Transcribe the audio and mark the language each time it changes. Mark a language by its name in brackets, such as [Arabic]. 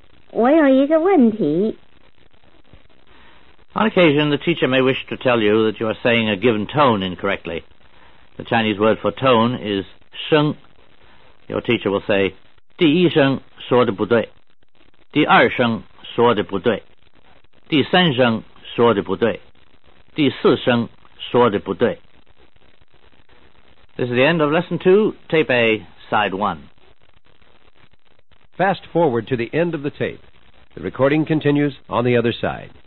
[Chinese] 我有一个问题。 [English] On occasion, the teacher may wish to tell you that you are saying a given tone incorrectly. The Chinese word for tone is 声. Your teacher will say, [Chinese] 第一声说得不对。第二声说的不对，第三声说的不对，第四声说的不对。 [English] This is the end of lesson 2, tape A, side 1. Fast forward to the end of the tape. The recording continues on the other side.